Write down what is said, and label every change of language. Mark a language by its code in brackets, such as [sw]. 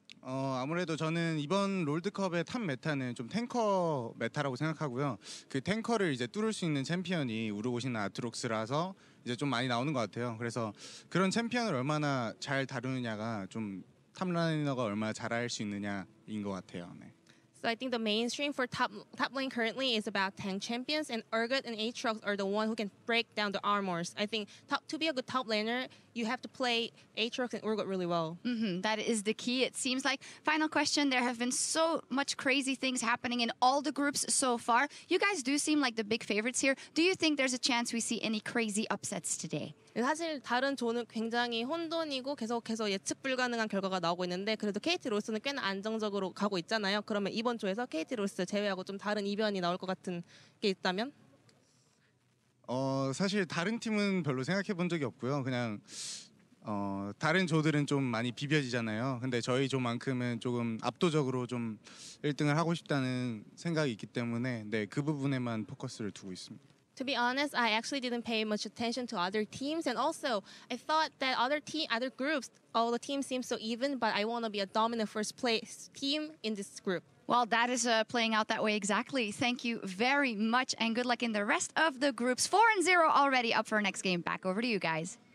[ko] 아무래도 저는 이번 롤드컵의 탑 메타는 좀 탱커 메타라고 생각하고요. 그 탱커를 이제 뚫을 수 있는 챔피언이 우르고시나 아트록스라서 이제 좀 많이 나오는 것 같아요. 그래서 그런 챔피언을 얼마나 잘 다루느냐가 좀 탑 라이너가 얼마나 잘할 수 있느냐인 것 같아요. 네. [en] So I think the mainstream for top lane currently is about tank champions, and Urgot and Aatrox are the one who can break down the armors. I think to be a good top laner, you have to play Aatrox and Urgot really well. Mm-hmm. That is the key, it seems like. Final question, there have been so much crazy things happening in all the groups so far. You guys do seem like the big favorites here. Do you think there's a chance we see any crazy upsets today? [ko] 사실 다른 조는 굉장히 혼돈이고 계속해서 예측 불가능한 결과가 나오고 있는데 그래도 KT 롤스는 꽤나 안정적으로 가고 있잖아요. 그러면 이번 조에서 KT 롤스 제외하고 좀 다른 이변이 나올 것 같은 게 있다면? 사실 다른 팀은 별로 생각해 본 적이 없고요. 그냥 다른 조들은 좀 많이 비벼지잖아요. 근데 저희 조만큼은 조금 압도적으로 좀 1등을 하고 싶다는 생각이 있기 때문에 네, 그 부분에만 포커스를 두고 있습니다. [en] To be honest, I actually didn't pay much attention to other teams, and also I thought that other groups, all the teams seem so even, but I want to be a dominant first place team in this group. Well, that is playing out that way exactly. Thank you very much, and good luck in the rest of the groups. 4-0 already up for our next game. Back over to you guys.